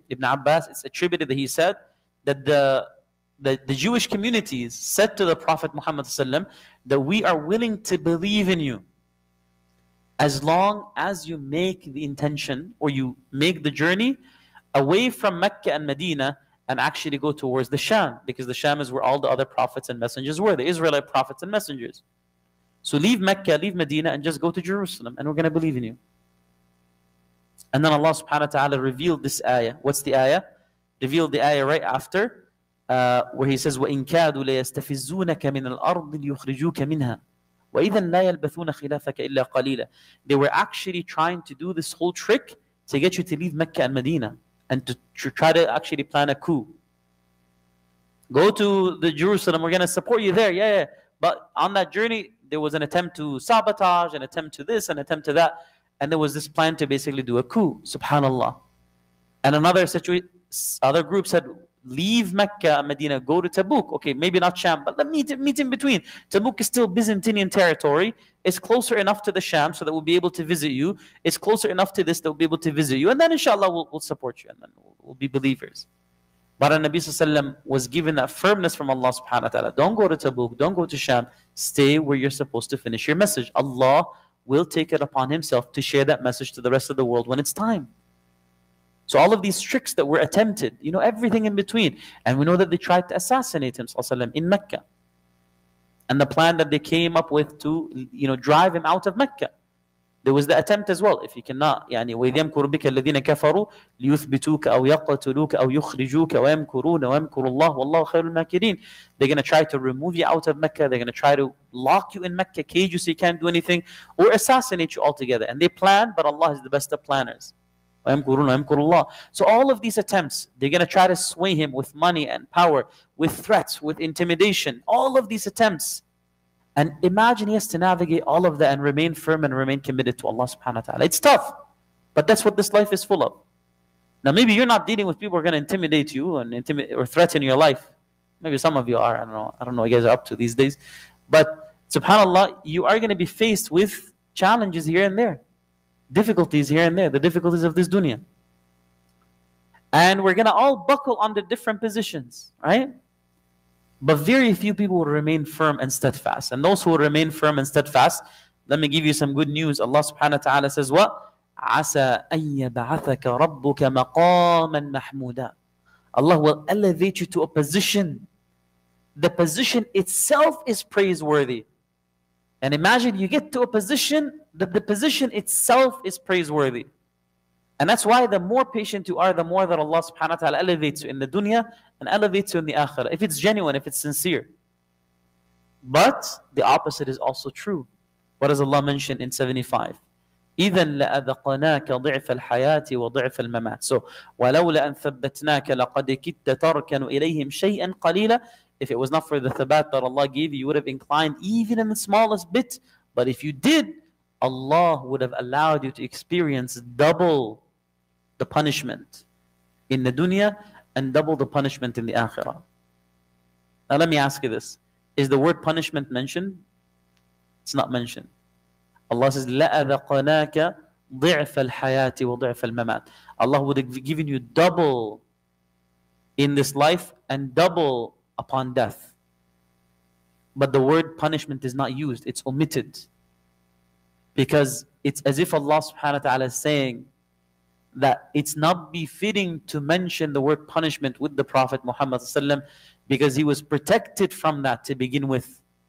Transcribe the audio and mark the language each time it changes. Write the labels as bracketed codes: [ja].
[en] Ibn Abbas, it's attributed that he said that the Jewish communities said to the Prophet Muhammad that we are willing to believe in you as long as you make the intention or you make the journey away from Mecca and Medina and actually go towards the Sham, because the Sham is where all the other prophets and messengers were, the Israelite prophets and messengers. So leave Mecca, leave Medina, and just go to Jerusalem, and we're going to believe in you. And then Allah subhanahu wa ta'ala revealed this ayah. What's the ayah? Revealed the ayah right after, where he says, [ar] وَإِنْ كَادُوا لَيَسْتَفِزُّونَكَ مِنَ الْأَرْضِ لِيُخْرِجُوكَ مِنْهَا وَإِذًا لَا يَلْبَثُونَ خِلَافَكَ إِلَّا قَلِيلًا. [en] They were actually trying to do this whole trick to get you to leave Mecca and Medina, and to try to actually plan a coup. Go to the Jerusalem, we're going to support you there, yeah. But on that journey, there was an attempt to sabotage, an attempt to this, an attempt to that, and there was this plan to basically do a coup, subhanAllah. And another other group said, leave Mecca and Medina, go to Tabuk. Okay, maybe not Sham, but let's meet in between. Tabuk is still Byzantinian territory. It's closer enough to the Sham so that we'll be able to visit you. It's closer enough to this that we'll be able to visit you. And then inshallah, we'll support you and then we'll be believers. But our Nabi Sallallahu Alaihi was given that firmness from Allah subhanahu wa ta'ala. Don't go to Tabuk, don't go to Sham. Stay where you're supposed to finish your message. Allah will take it upon himself to share that message to the rest of the world when it's time. So all of these tricks that were attempted, everything in between. And we know that they tried to assassinate him, Sallallahu Alaihi Wasallam, in Mecca. And the plan that they came up with to, drive him out of Mecca. There was the attempt as well. If you cannot, [ar] وَيَمْكُرُ بِكَ الَّذِينَ كَفَرُوا لِيُثْبِتُوكَ أَوْ يَقْتُلُوكَ أَوْ يُخْرِجُوكَ وَيَمْكُرُونَ وَيَمْكُرُ اللَّهُ وَاللَّهُ خَيْرُ الْمَاكِرِينَ. [en] They're going to try to remove you out of Mecca. They're going to try to lock you in Mecca, cage you so you can't do anything, or assassinate you altogether. And they plan, but Allah is the best of planners. So all of these attempts, they're going to try to sway him with money and power, with threats, with intimidation. All of these attempts. And imagine he has to navigate all of that and remain firm and remain committed to Allah subhanahu wa ta'ala. It's tough, but that's what this life is full of. Now maybe you're not dealing with people who are going to intimidate you and or threaten your life. Maybe some of you are. I don't know what you guys are up to these days. But subhanAllah, you are going to be faced with challenges here and there. Difficulties here and there, the difficulties of this dunya. And we're going to all buckle under different positions, right? But very few people will remain firm and steadfast. And those who will remain firm and steadfast, let me give you some good news. Allah subhanahu wa ta'ala says what? [ar] عَسَىٰ أَن يَبْعَثَكَ رَبُّكَ مَقَامًا مَحْمُودًا. [en] Allah will elevate you to a position. The position itself is praiseworthy. And imagine you get to a position, the position itself is praiseworthy. And that's why the more patient you are, the more that Allah subhanahu wa ta'ala elevates you in the dunya and elevates you in the akhirah. If it's genuine, if it's sincere. But the opposite is also true. What does Allah mention in 75? [ar] إِذَنْ لَأَذَقْنَاكَ ضِعْفَ الْحَيَاةِ وَضِعْفَ الْمَمَاتِ. So, وَلَوْلَا أَنْ ثَبَّتْنَاكَ لَقَدْ كِدَّ تَرْكَنُ إِلَيْهِمْ شَيْئًا قَلِيلًا. [en] If it was not for the thabat that Allah gave you, you would have inclined even in the smallest bit. But if you did, Allah would have allowed you to experience double the punishment in the dunya and double the punishment in the akhirah. Now let me ask you this. Is the word punishment mentioned? It's not mentioned. Allah says, [ar] لَأَذَقْنَاكَ ضِعْفَ الْحَيَاةِ وَضِعْفَ الْمَمَاتِ. [en] Allah would have given you double in this life and double upon death. But the word punishment is not used. It's omitted. Because it's as if Allah subhanahu wa ta'ala is saying that it's not befitting to mention the word punishment with the Prophet Muhammad sallallahu alaihi wasallam, because he was protected from that to begin with.